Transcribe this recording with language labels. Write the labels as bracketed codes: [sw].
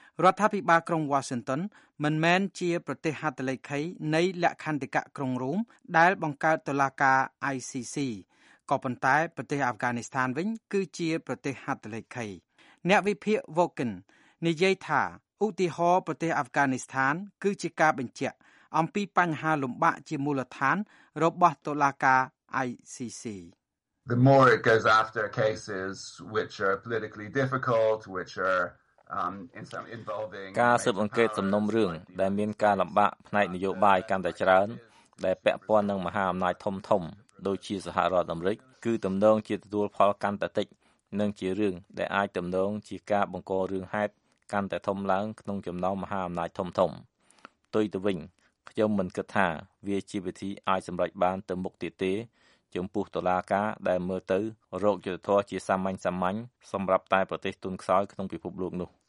[km] រដ្ឋាភិបាលក្រុងវ៉ាស៊ីនតោនមិនមែនជាប្រទេសហត្ថលេខីនៃលក្ខន្តិកៈក្រុងរ៉ូមដែលបង្កើតតុលាការ ICC ក៏ប៉ុន្តែប្រទេសអាហ្វហ្គានីស្ថានវិញគឺជាប្រទេសហត្ថលេខីអ្នកវិភាគ Woken និយាយថា ឧទាហរណ៍ប្រទេសអាហ្វហ្គានីស្ថានគឺជាការបញ្ជាក់អំពីបញ្ហាលំបាកជាមូលដ្ឋានរបស់តុលាការ ICC [en] The more it goes after cases which are politically difficult which are [km] ការស៊ើបអង្កេតសំណុំរឿងដែលមានការលំបាកផ្នែកនយោបាយកាន់តែច្រើនដែលពាក់ព័ន្ធនឹងមហាអំណាចធំៗដូចជាសហរដ្ឋអាមេរិកគឺទំនងជាទទួលផលកាន់តែតិចនិងជារឿងដែលអាចទំនងជាការបង្ករឿងហេតុកាន់តែធំឡើងក្នុងចំណោមមហាអំណាចធំៗផ្ទុយទៅវិញខ្ញុំមិនគិតថាវាជាវិធីអាចសម្រេចបានទៅមុខទៀតទេចំពោះតុលាការដែលមើលទៅរោគយុត្តិធម៌ជាសាមញ្ញៗសម្រាប់តែប្រទេសទុនខ្សោយក្នុងពិភពលោកនោះ